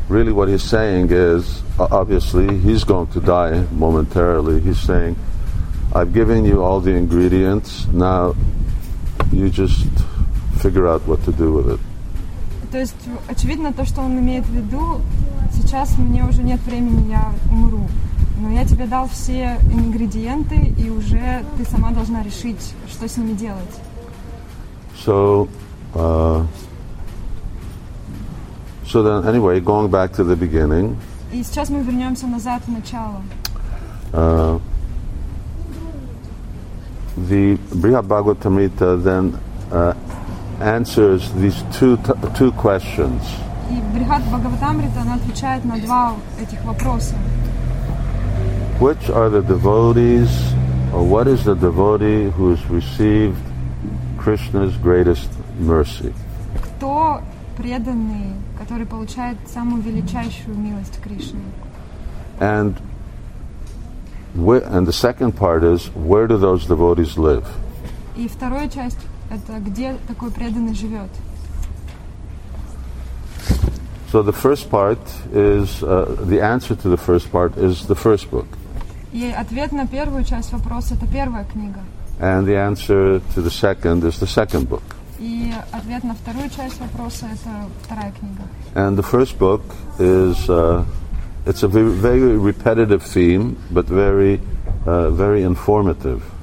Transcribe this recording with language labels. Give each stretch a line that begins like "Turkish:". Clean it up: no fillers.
English: Really, what he's saying is, obviously, he's going to die momentarily. He's saying, I've given you all the ingredients, now you just figure out what to do with it.
Russian: То есть, очевидно, то, что он имеет в виду, сейчас мне уже нет времени, я умру. Но я тебе дал все ингредиенты, и уже ты сама должна решить, что с ними делать.
English: So then, anyway, going back to the beginning.
Russian: И сейчас мы вернемся назад в начало.
English: The Brihad Bhagavatamrita then answers these two questions.
Russian: И Брихад Бхагаватамрита отвечает на два этих вопроса.
English: Which are the devotees, or what is the devotee who has received Krishna's greatest mercy?
Russian: Кто преданный, который получает самую величайшую милость Кришны?
English: And the second part is, where do those devotees live?
Russian: И вторая часть — это где такой преданный живет?
English: So the first part is, the answer to the first part is the first book.
Russian: И ответ на первую часть вопроса — это первая книга.
English: And the answer to the second is the second book.
Russian: И ответ на вторую часть вопроса — это вторая книга.
English: And the first book is, it's a very repetitive theme, but very, very informative.